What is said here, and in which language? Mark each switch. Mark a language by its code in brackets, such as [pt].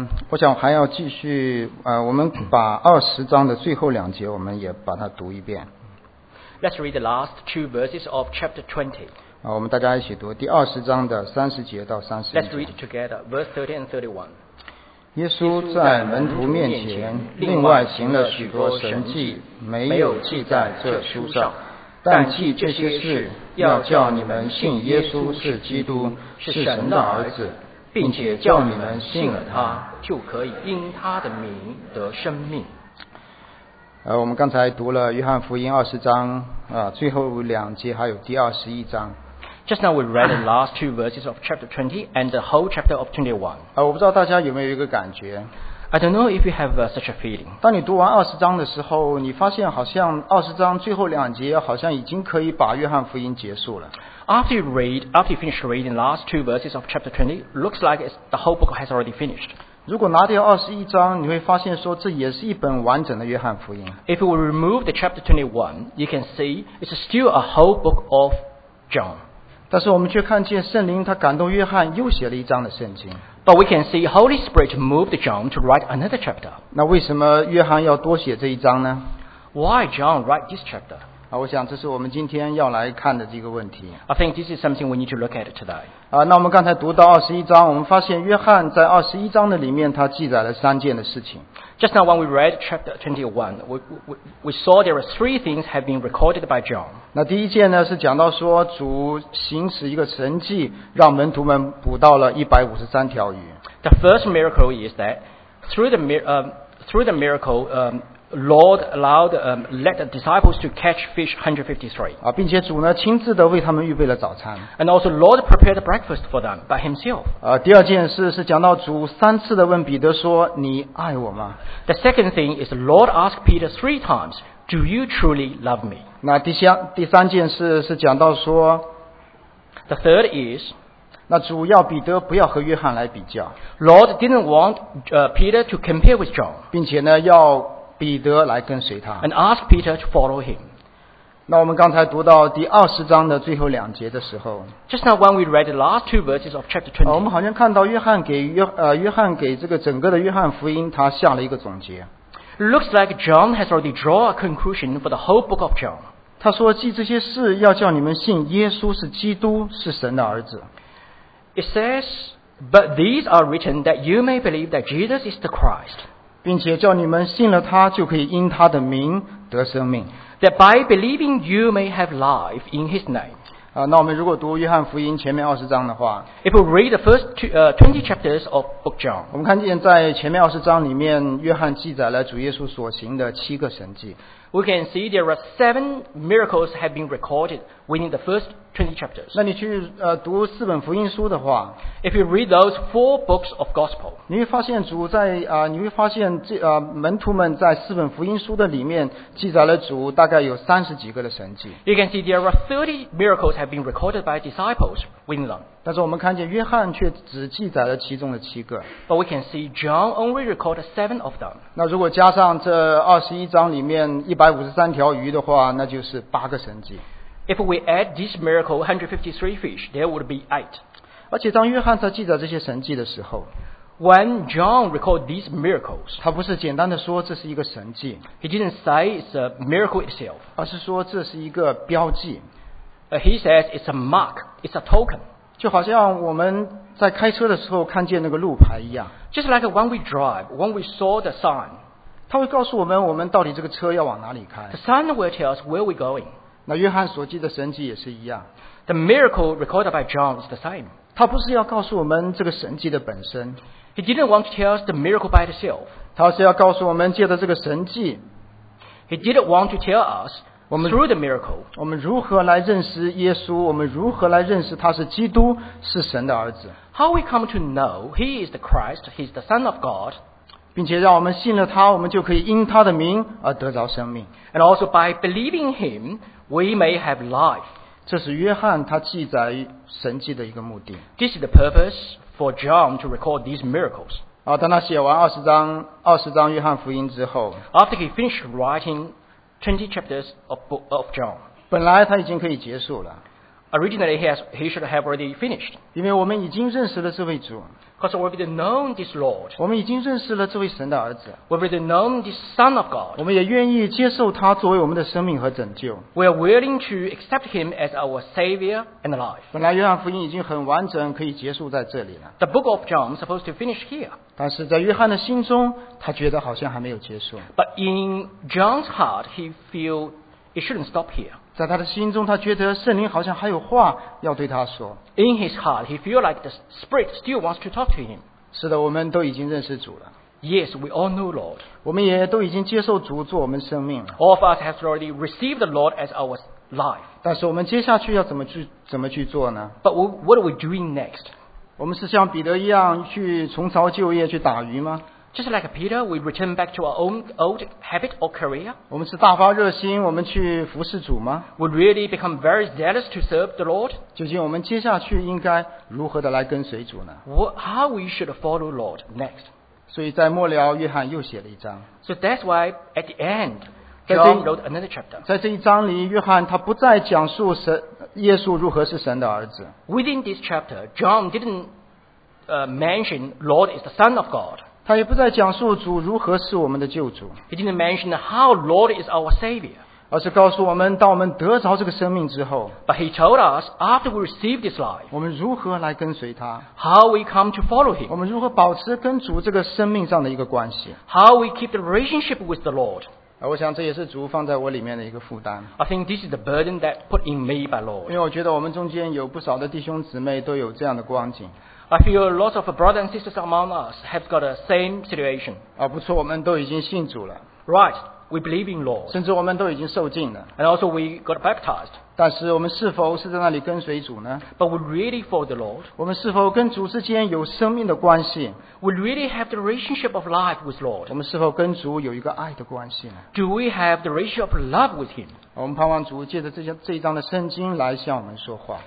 [zh] 我想还要继续，我们把20章的最后两节，我们也把它读一遍。 [en] Let's read the last two verses of chapter 20. [zh] 我们大家一起读第20章的30节到31节。 [en] Let's read together, verse 30 and 31. [zh] 耶稣在门徒面前另外行了许多神迹，没有记在这书上。但记这些事，要叫你们信耶稣是基督，是神的儿子。并且叫你们信了他，就可以因他的名得生命。我们刚才读了约翰福音20章，最后两节还有第21章。 [en] Just now we read the last two verses of chapter 20 and the whole chapter of 21. [zh] 我不知道大家有没有一个感觉。 [en] I don't know if you have such a feeling. [zh] 当你读完二十章的时候，你发现好像20章最后两节好像已经可以把约翰福音结束了。 [en] After you finish reading the last two verses of chapter 20, it looks like the whole book has already finished. [zh] 如果拿掉21章，你会发现说这也是一本完整的约翰福音。 [en] If we remove the chapter 21, you can see it's still a whole book of John. [zh] 但是我们却看见圣灵他感动约翰又写了一章的圣经。 [en] But we can see Holy Spirit moved John to write another chapter. [zh] 那为什么约翰要多写这一章呢？ [en] Why John write this chapter? [zh] 我想这是我们今天要来看的这个问题。 [en] I think this is something we need to look at today. [zh] 那我们刚才读到21章，我们发现约翰在21章的里面，他记载了三件的事情。 [en] Just now when we read chapter 21, we saw there are three things have been recorded by John. [zh] 那第一件呢，是讲到说主行使一个神迹，让门徒们捕到了153条鱼。 [en] The first miracle is that through the miracle, Lord allowed let the disciples to catch fish 153. [zh] 并且主呢亲自的为他们预备了早餐。 [en] And also Lord prepared breakfast for them by himself. [zh] 第二件事是讲到主三次的问彼得说，你爱我吗？ [en] The second thing is the Lord asked Peter three times, do you truly love me? [zh] 那第三件事是讲到说， [en] The third is, [zh] 那主要彼得不要和约翰来比较。 [en] Lord didn't want Peter to compare with John. [zh] 并且呢要彼得来跟随他。 [en] And ask Peter to follow him. [zh] 那我们刚才读到第二十章的最后两节的时候。 [en] Just now when we read the last two verses of chapter 20. [zh] 我们好像看到约翰给这个整个的约翰福音他下了一个总结。 [en] Looks like John has already drawn a conclusion for the whole book of John. [zh] 他说记这些事要叫你们信耶稣是基督是神的儿子。 [en] It says, but these are written that you may believe that Jesus is the Christ. [zh] 并且叫你们信了他就可以因他的名得生命。 [en] That by believing you may have life in his name. [zh] 那我们如果读约翰福音前面二十章的话， [en] If we read the first twenty chapters of book John, [zh] 我们看见在前面二十章里面，约翰记载了主耶稣所行的七个神迹。 [en] We can see there are 7 miracles have been recorded within the first 20 chapters. [zh] 那你去读四本福音书的话， [en] If you read those 4 books of gospel, [zh] 你会发现主在你会发现这门徒们在四本福音书的里面记载了主大概有30几个的神迹。 [en] You can see there are 30 miracles have been recorded by disciples within them. [zh] 但是我们看见约翰却只记载了其中的7个。 [en] But we can see John only recorded 7 of them. [zh] 那如果加上这21章里面153条鱼的话，那就是8个神迹。 [en] If we add this miracle, 153 fish, there would be 8. [zh] 而且当约翰在记载这些神迹的时候， [en] When John recorded these miracles, [zh] 他不是简单的说这是一个神迹， [en] He didn't say it's a miracle itself. [zh] 而是说这是一个标记。 [en] He says it's a mark, it's a token. [zh] 就好像我们在开车的时候看见那个路牌一样。 [en] Just like when we drive, when we saw the sign. [zh] 他会告诉我们，我们到底这个车要往哪里开。 [en] The sign will tell us where we're going. [zh] 那约翰所记的神迹也是一样。 [en] The miracle recorded by John is the same. [zh] 他不是要告诉我们这个神迹的本身。 [en] He didn't want to tell us the miracle by itself. [zh] 他是要告诉我们借着这个神迹。 [en] He didn't want to tell us through the miracle. [zh] 我们如何来认识耶稣？我们如何来认识他是基督，是神的儿子 [en] ？How we come to know He is the Christ, He is the Son of God, [zh] 并且让我们信了他，我们就可以因他的名而得着生命。 [en] And also by believing Him, we may have life. [zh] 这是约翰他记载神迹的一个目的。 [en] This is the purpose for John to record these miracles. [zh] 当他写完二十章约翰福音之后 [en] ，After he finished writing. 20 chapters of John. [zh] 本来他已经可以结束了。 [en] Originally, he should have already finished. [zh] 因为我们已经认识了这位主。 [en] Because we've already known this Lord. [zh] 我们已经认识了这位神的儿子。 [en] We've already known this Son of God. [zh] 我们也愿意接受他作为我们的生命和拯救。 [en] We are willing to accept him as our Savior and life. [zh] 本来约翰福音已经很完整，可以结束在这里了。 [en] The book of John is supposed to finish here. [zh] 但是在约翰的心中，他觉得好像还没有结束。 [en] But in John's heart, he feels it shouldn't stop here. [zh] 在他的心中，他觉得圣灵好像还有话要对他说。 [en] In his heart, he feels like the Spirit still wants to talk to him. [zh] 是的，我们都已经认识主了。 [en] Yes, we all know Lord. [zh] 我们也都已经接受主做我们生命了。 [en] All of us have already received the Lord as our life. [zh] 但是我们接下去要怎么去做呢 [en] ？But what are we doing next? [zh] 我们是像彼得一样去重操旧业去打鱼吗？ [en] Just like Peter, we return back to our own old habit or career. [zh] 我们是大发热心，我们去服侍主吗 [en] ？We really become very zealous to serve the Lord. [zh] 究竟我们接下去应该如何的来跟随主呢 [en] ？How we should follow Lord next? [zh] 所以在末了，约翰又写了一章。 [en] So that's why at the end, John wrote another chapter. [zh] 在这一章里，约翰他不再讲述耶稣如何是神的儿子。 [en] Within this chapter, John didn't mention Lord is the Son of God. [zh] 他也不再讲述主如何是我们的救主。 [en] He didn't mention how Lord is our Savior. [zh] 而是告诉我们，当我们得着这个生命之后 [en] ，But he told us after we received this life， [zh] 我们如何来跟随他 [en] ？How we come to follow him？ [zh] 我们如何保持跟主这个生命上的一个关系 [en] ？How we keep the relationship with the Lord？ [zh] 我想这也是主放在我里面的一个负担。 [en] I think this is the burden that put in me by Lord. [zh] 因为我觉得我们中间有不少的弟兄姊妹都有这样的光景。 [en] I feel lots of brothers and sisters among us have got the same situation. [zh] 不错，我们都已经信主了。 [en] Right, we believe in Lord. [zh] 甚至我们都已经受浸了。 [en] And also we got baptized. [zh] 但是我们是否是在那里跟随主呢 [en] ？But we really follow the Lord. [zh] 我们是否跟主之间有生命的关系 [en] ？We really have the relationship of life with Lord. [zh] 我们是否跟主有一个爱的关系呢 [en] ？Do we have the relationship of love with Him? [zh] 我们盼望主借着这一章的圣经来向我们说话。